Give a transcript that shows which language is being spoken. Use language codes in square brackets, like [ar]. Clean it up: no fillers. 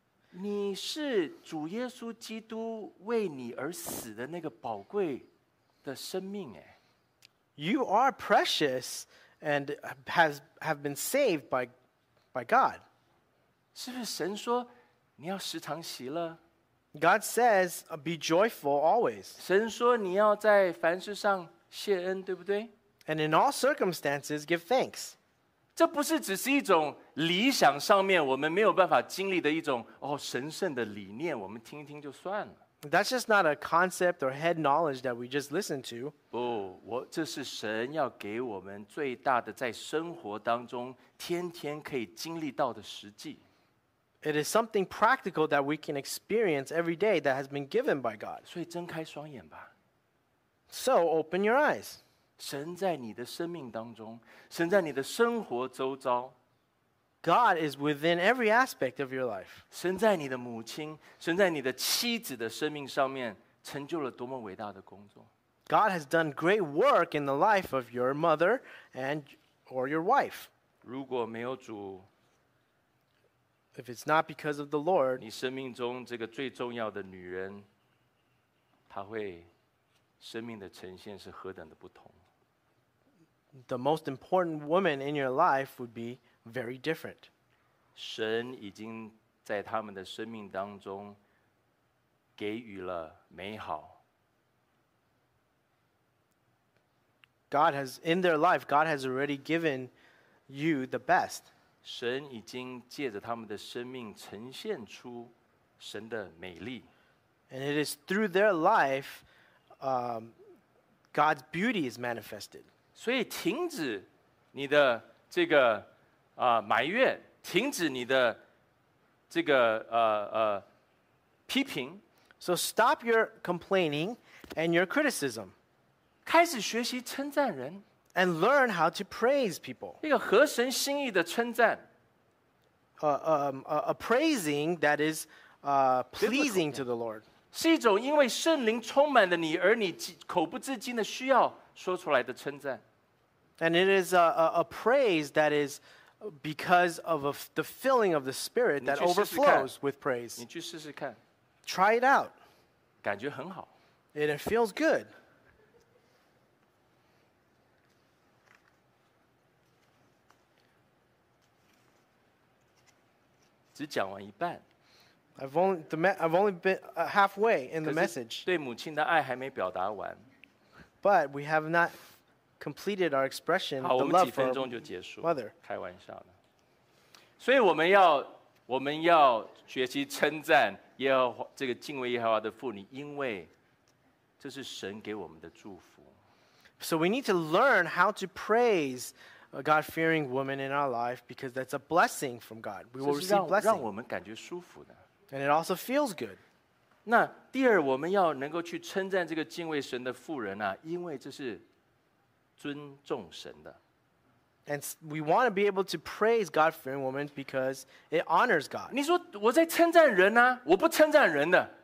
[zh] 你是主耶稣基督为你而死的那个宝贵的生命哎。 [en] You are precious and have been saved by God. [zh] 是不是神说你要时常喜乐？ [en] God says, be joyful always. [zh] 神说你要在凡事上谢恩，对不对？ [en] And in all circumstances, give thanks. [zh] 这不是只是一种理想上面我们没有办法经历的一种哦神圣的理念，我们听一听就算了。 [en] That's just not a concept or head knowledge that we just listen to. [zh] 不，这是神要给我们最大的在生活当中天天可以经历到的实际。 [en] It is something practical that we can experience every day that has been given by God. [zh] 所以睁开双眼吧。 [en] So open your eyes. [zh] 神在你的生命当中，神在你的生活周遭。 [en] God is within every aspect of your life. [zh] 神在你的母亲，神在你的妻子的生命上面成就了多么伟大的工作。 [en] God has done great work in the life of your mother and or your wife. [zh] 如果没有主， [en] If it's not because of the Lord, [zh] 你生命中这个最重要的女人，她会生命的呈现是何等的不同。 [en] The most important woman in your life would be very different. [zh] 神已经在他们的生命当中给予了美好。 [en] God has, in their life, God has already given you the best. [zh] 神已经借着他们的生命呈现出神的美丽。 [en] And it is through their life, God's beauty is manifested. [zh] 所以停止你的这个埋怨，停止你的这个批评。 [en] So stop your complaining and your criticism. [zh] 开始学习称赞人。 [en] And learn how to praise people. [zh] 一个合神心意的称赞。 [en] A praising that is pleasing to the Lord. [zh] 是一种因为圣灵充满了你而你口不自禁的需要说出来的称赞。 [en] And it is a praise that is because of the filling of the Spirit that overflows with praise. [zh] 你去试试看。 [en] Try it out. [zh] 感觉很好。 [en] And it feels good. I've only been halfway in the message. [zh] 对母亲的爱还没表达完。 [en] But we have not completed our expression of love for our mother. [zh] 开玩笑的。所以我们要学习称赞耶和华这个敬畏耶和华的妇女，因为这是神给我们的祝福。 [en] So we need to learn how to praise a God-fearing woman in our life because that's a blessing from God. We will receive blessing. [zh] 这是让我们感觉舒服的。 [en] And it also feels good. [zh] 那第二，我们要能够去称赞这个敬畏神的妇人啊，因为这是尊重神的。 [en] And we want to be able to praise God-fearing women because it honors God. [zh] 你说我在称赞人啊，我不称赞人的。